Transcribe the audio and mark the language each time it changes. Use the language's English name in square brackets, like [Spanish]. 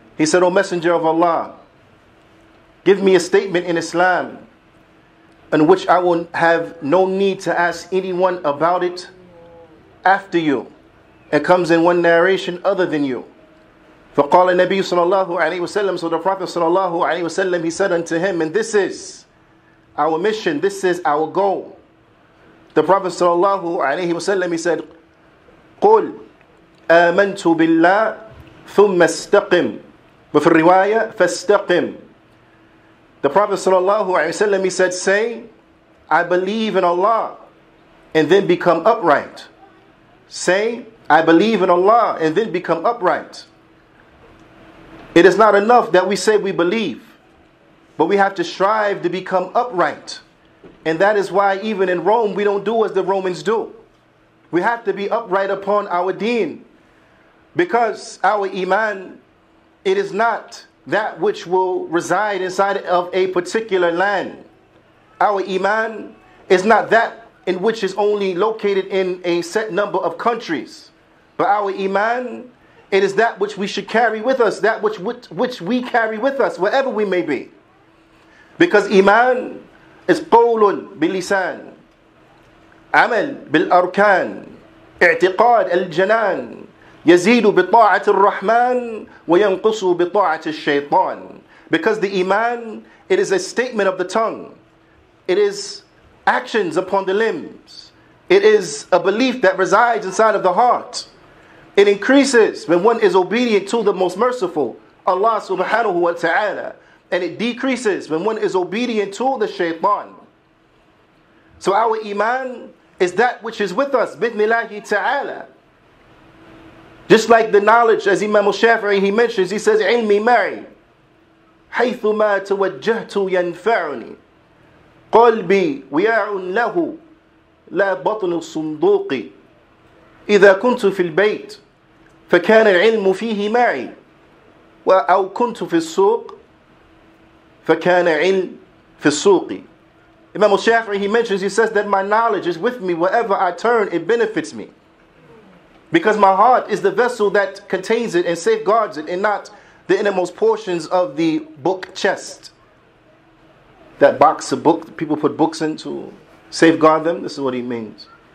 [English] He said, O Messenger of Allah, give me a statement in Islam in which I will have no need to ask anyone about it after you. It comes in one narration other than you. [Arabic] فَقَالَ النَّبِيُّ صَلَى اللَّهُ عَلَيْهِ وَسَلَّمْ. [English] So the Prophet [Arabic] صلى الله عليه وسلم, [English] he said unto him, and this is our mission, this is our goal. The Prophet [Arabic] صلى الله عليه وسلم, [English] he said, [Arabic] قُلْ آمَنْتُ بِاللَّهِ ثُمَّ اسْتَقِمْ وَفِ الرِّوَايَةِ فَاسْتَقِمْ. [English] The Prophet [Arabic] صلى الله عليه وسلم, [English] he said, say, I believe in Allah, and then become upright. Say, I believe in Allah, and then become upright. It is not enough that we say we believe, but we have to strive to become upright. And that is why even in Rome, we don't do as the Romans do. We have to be upright upon our deen, because our iman, it is not that which will reside inside of a particular land. Our iman is not that in which is only located in a set number of countries. But our iman, it is that which we should carry with us, that which we carry with us, wherever we may be. Because iman is [Arabic] qawlun bilisan. عمل بالأركان اعتقاد الجنان يزيد بطاعة الرحمن وينقص بطاعة الشيطان. [English] Because the iman, it is a statement of the tongue. It is actions upon the limbs. It is a belief that resides inside of the heart. It increases when one is obedient to the Most Merciful, Allah subhanahu wa ta'ala. And it decreases when one is obedient to the shaytan. So our iman is that which is with us, [Arabic] bidnillahi ta'ala. [English] Just like the knowledge, as Imam al-Shafi'i, he mentions, he says, [Arabic] ilmi ma'i, haythuma tawajjahtu yanfa'uni, qalbi wi'a'un lahu, la batnu sunduqi. إذا كنت في البيت فكان العلم فيه معي أو كنت في السوق فكان علم في السوق. [English] Imam al-Shafi'i, he mentions, he says that my knowledge is with me wherever I turn, it benefits me, because my heart is the vessel that contains it and safeguards it, and not the innermost portions of the book chest, that box of books people put books in to safeguard them. This is what he means.